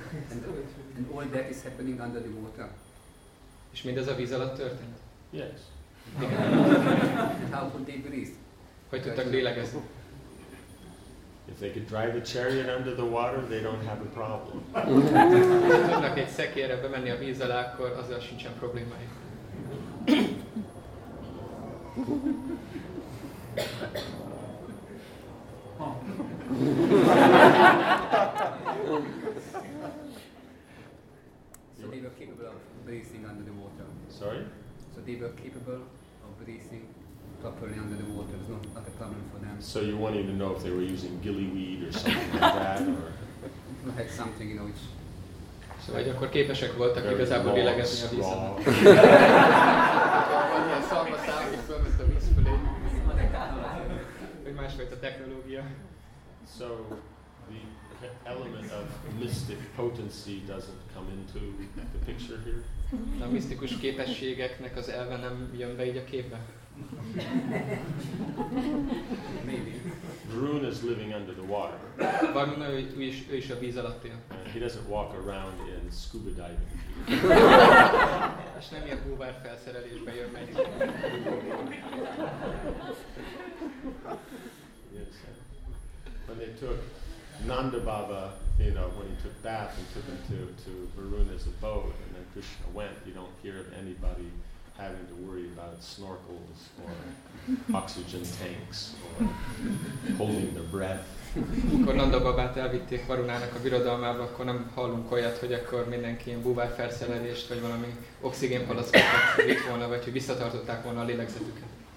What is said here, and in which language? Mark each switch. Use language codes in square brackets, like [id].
[en] And all that is happening under the water. [hu] És mindez a víz alatt történt? [en] Yes. How could they breathe? [hu] Hogy tudtak lélegezni? [en] If they could drive a chariot under the water, they don't have a problem. [hu] Ha tudnak egy szekérre bemenni a víz alá, akkor azzal sincsen problémájuk. [en] So they were capable of breathing under the water. Sorry? So they were capable of breathing properly under the water. It's not a problem for them. So you wanted to know if they were using gillyweed or something like that, or had something, you know, which. [hu] So vagy akkor képesek voltak igazából lélegezni a víz alatt. Vagy ilyen szarva számít fölmet a víz fölé. Vagy másfajta technológia. [en] So the element of mystic potency doesn't come into the picture here. [hu] A misztikus képességeknek az elve nem jön be így a képbe. [en] Maybe. Vrún is living under the water. [hu] Vrún is a víz alatt él. [en] He doesn't walk around in scuba diving. [hu] És nem ilyen búvár felszerelésbe jön meg. [en] When they took Nanda Baba, you know, when he took bath and took him to Varuna's abode, and then Krishna went, you don't hear of anybody having to worry about snorkels or oxygen tanks or holding their breath. [hu] Amikor Nanda Babát elvitték Varunának a birodalmába, akkor nem hallunk olyat, hogy akkor mindenki ilyen búvár felszerelést vagy valami oxigénpalackokat vitt volna, vagy hogy visszatartották volna a lélegzetüket.